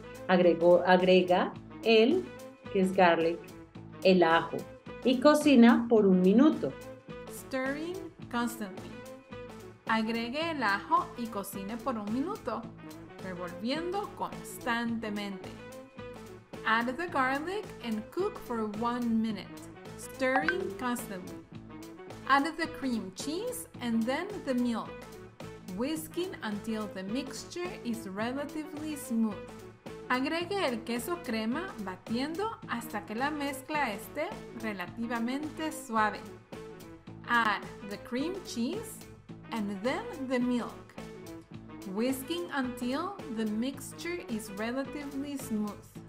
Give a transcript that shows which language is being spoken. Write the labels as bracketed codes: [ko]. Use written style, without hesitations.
[es] Agrega el, que es garlic, el ajo, y cocina por 1 minuto. [en] Stirring constantly. [es] Agregue el ajo y cocine por 1 minuto, revolviendo constantemente. [en] Add the garlic and cook for 1 minute, stirring constantly. Add the cream cheese and then the milk, whisking until the mixture is relatively smooth. [es] Agregue el queso crema batiendo hasta que la mezcla esté relativamente suave. [en] Add the cream cheese and then the milk, whisking until the mixture is relatively smooth.